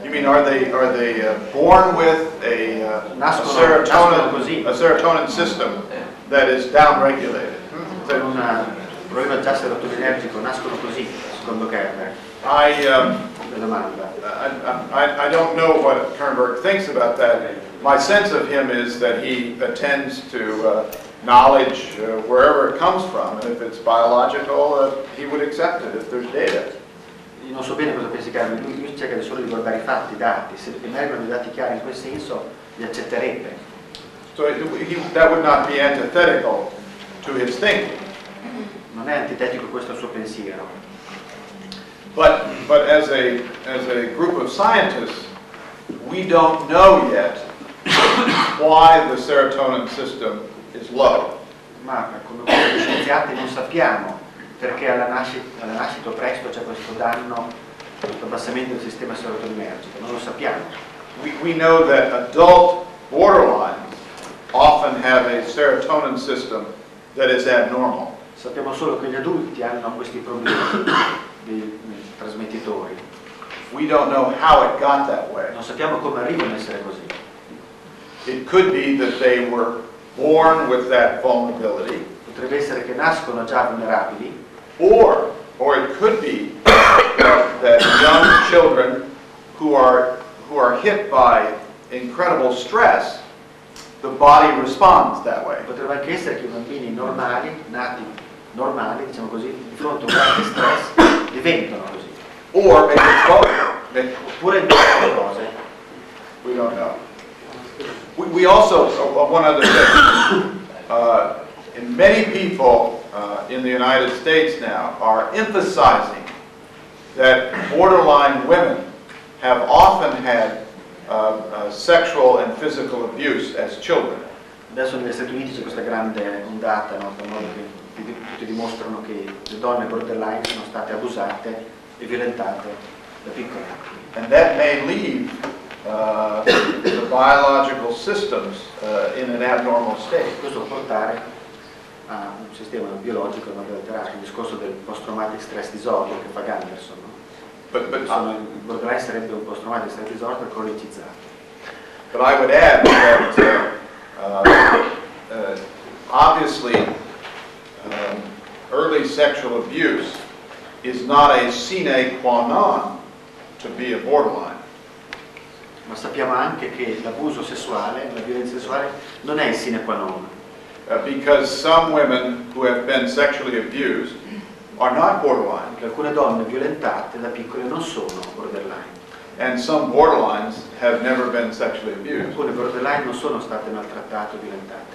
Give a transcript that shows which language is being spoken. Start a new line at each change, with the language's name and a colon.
English: You mean are they born with a serotonin system that is downregulated?
Italian: Con un problema già serotoninergico, nascono così, secondo Kernberg.
English: I don't know what Kernberg thinks about that. My sense of him is that he attends to knowledge wherever it comes from, and if it's biological, he would accept it if there's data.
Italian: Io non so bene cosa pensi Carlo, lui cerca solo di guardare i fatti, i dati, se emergono dei dati chiari in quel senso, li accetterebbe.
English: So that would not be antithetical to his thinking.
Italian: Non è antitetico questo suo pensiero.
English: But as a group of scientists, we don't know yet why the serotonin system is low.
Italian: ma come scienziati non sappiamo perché alla nascita presto c'è questo danno, questo abbassamento del sistema serotoninergico, non lo sappiamo.
English: We know that adult borderline often have a serotonin system that is abnormal.
Italian: Sappiamo solo che gli adulti hanno questi problemi di trasmettitori.
English: We don't know how it got that way.
Italian: Non sappiamo come arriva ad essere così.
English: It could be that they were born with that vulnerability.
Italian: Potrebbe essere che nascono già vulnerabili.
English: Or it could be that young children who are hit by incredible stress, the body responds that way.
Italian: Potrebbe anche essere che i bambini normali, nati normali, diciamo così, di fronte a un grande stress, diventano così.
English: Or maybe it's both.
Italian: Oppure due cose.
English: We don't know. We also, one other thing, in many people in the United States now are emphasizing that borderline women have often had sexual and physical abuse as children.
Italian: Adesso negli Stati Uniti c'è questa grande ondata, no? Che tutti dimostrano che le donne borderline sono state abusate e violentate da piccole.
English: And that may leave the biological systems in an abnormal state.
Italian: Questo può portare a un sistema biologico non alterato, il discorso del post-traumatic stress disorder che fa Gunderson, no?
English: But
Italian: sarebbe un post-traumatic stress disorder cronicizzato.
English: But I would add that obviously early sexual abuse is not a sine qua non to be a borderline.
Italian: Ma sappiamo anche che l'abuso sessuale, la violenza sessuale, non è il sine qua non.
English: Because some women who have been sexually abused are not borderline.
Italian: Perché alcune donne violentate da piccole non sono borderline.
English: And some borderlines have never been sexually abused.
Italian: Alcune borderline non sono state maltrattate o violentate.